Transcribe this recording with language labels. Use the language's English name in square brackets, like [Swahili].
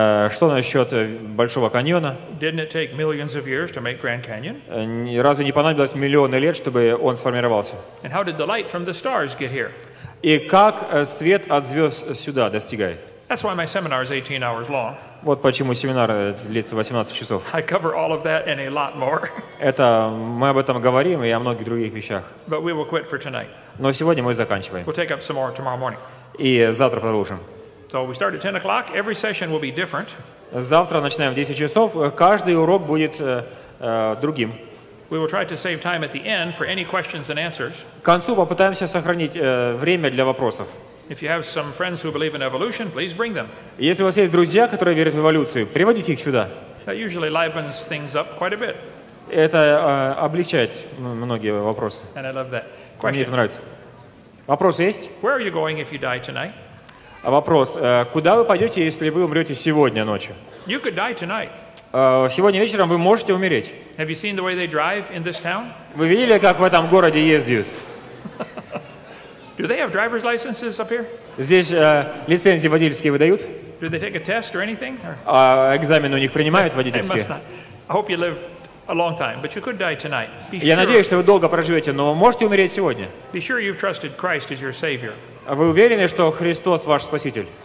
[Russian] Что насчет Большого каньона? [English] Didn't it take millions of years to make Grand Canyon? [Russian] Разве не понадобилось миллионы лет, чтобы он сформировался? [English] And how did the light from the stars get here? [Russian] И как свет от звезд сюда достигает? [English] That's why my seminar is 18 hours long. [Russian] Вот почему семинар длится 18 часов. [English] I cover all of that and a lot more. [Russian] Это мы об этом говорим и о многих других вещах. [English] But we will quit for tonight. [Russian] Но сегодня мы заканчиваем. [English] We'll take up some more tomorrow morning. [Russian] И завтра продолжим. [English] So we start at 10 o'clock. Every session will be different. [Russian] Завтра начинаем в 10 часов. Каждый урок будет другим. [English] We will try to save time at the end for any questions and answers. [Russian] К концу попытаемся сохранить время для вопросов. [English] If you have some friends who believe in evolution, please bring them. [Russian] Если у вас есть друзья, которые верят в эволюцию, приводите их сюда. [English] That usually livens things up quite a bit. [Russian] Это облегчает многие вопросы. [English] And I love that. [Russian] Мне это нравится. Вопрос есть? [English] Where are you going if you die tonight? [Russian] Вопрос. Куда вы пойдете, если вы умрете сегодня ночью? [English] You could die tonight. [Russian] Сегодня вечером вы можете умереть. [English] Have you seen the way they drive in this town? [Russian] Вы видели, как в этом городе ездят? [English] Do they have driver's licenses up here? [Russian] Здесь лицензии водительские выдают? [English] Do they take a test or anything? [Russian] Экзамен у них принимают водительские? [English] I hope you live a long time, but you could die tonight. [Russian] Я надеюсь, что вы долго проживете, но можете умереть сегодня. [English] Be sure you've trusted Christ as your Savior. [Russian] Вы уверены, что Христос ваш Спаситель?